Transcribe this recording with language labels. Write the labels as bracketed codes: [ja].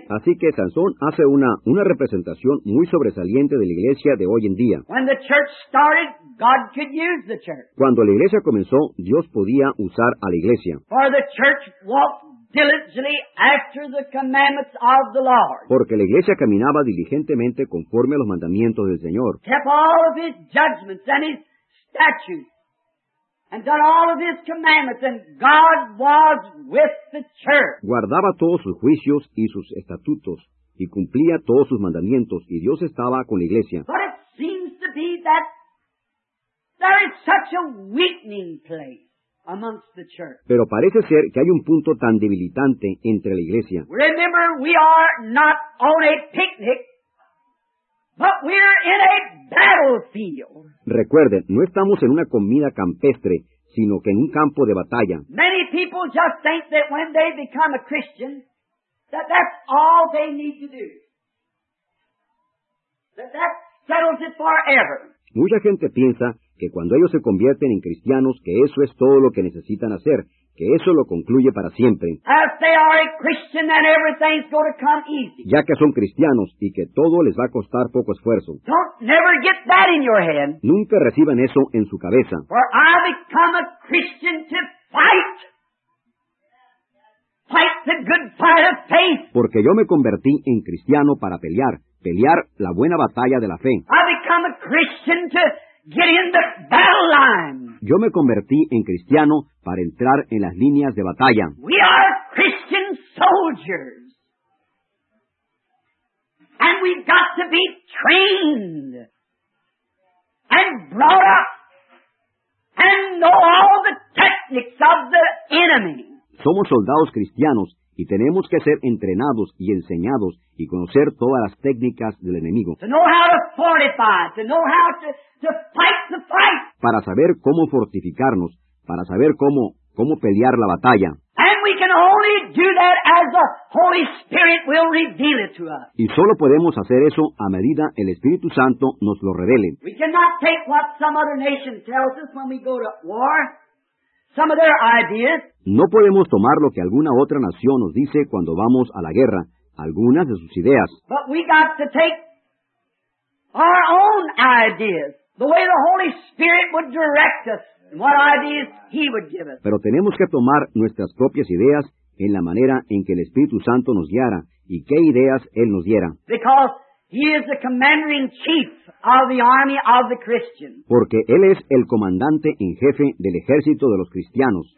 [es] Así que Sansón hace una representación muy sobresaliente de la iglesia de hoy en día. [en] When the church started, God could use the church. [es] Cuando la iglesia comenzó, Dios podía usar a la iglesia. [en] For the church walked diligently after the commandments of the Lord. [es] Porque la iglesia caminaba diligentemente conforme a los mandamientos del Señor. [en] Kept all of his judgments and his statutes. And done all of his commandments, and God was with the church. [es] Guardaba todos sus juicios y sus estatutos, y cumplía todos sus mandamientos, y Dios estaba con la iglesia. [en] But it seems to be that there is such a weakening place amongst the church. [es] Pero parece ser que hay un punto tan debilitante entre la iglesia. [en] Remember, we are not on a picnic, but we're in a battlefield. [es] Recuerden, no estamos en una comida campestre, sino que en un campo de batalla. [en] Many people just think that when they become a Christian, that that's all they need to do. That settles it forever. [es] Mucha gente piensa que cuando ellos se convierten en cristianos, que eso es todo lo que necesitan hacer, que eso lo concluye para siempre. [en] As they are a Christian, then everything's going to come easy. [es] Ya que son cristianos y que todo les va a costar poco esfuerzo. [en] Don't never get that in your head. [es] Nunca reciban eso en su cabeza. [en] For I become a Christian to fight. Fight the good fight of faith. [es] Porque yo me convertí en cristiano para pelear la buena batalla de la fe. [en] I become a Christian to get in the battle line. [es] Yo me convertí en cristiano para entrar en las líneas de batalla. [en] We are Christian soldiers. And we've got to be trained and brought up and know all the techniques of the enemy. [es] Somos soldados cristianos y tenemos que ser entrenados y enseñados y conocer todas las técnicas del enemigo. [en] To know how to fortify, to know how to fight the fight. [es] Para saber cómo fortificarnos, para saber cómo pelear la batalla. [en] And we can only do that as the Holy Spirit will reveal it to us. [es] Y solo podemos hacer eso a medida el Espíritu Santo nos lo revele. [en] We cannot take what some other nation tells us when we go to war. Some of their ideas. [es] No podemos tomar lo que alguna otra nación nos dice cuando vamos a la guerra, algunas de sus ideas. [en] But we got to take our own ideas, the way the Holy Spirit would direct us, and what ideas He would give us. [es] Pero tenemos que tomar nuestras propias ideas en la manera en que el Espíritu Santo nos guiara y qué ideas Él nos diera. [en] Because He is the commander in chief of the army of the Christians. [es] Porque él es el comandante en jefe del ejército de los cristianos.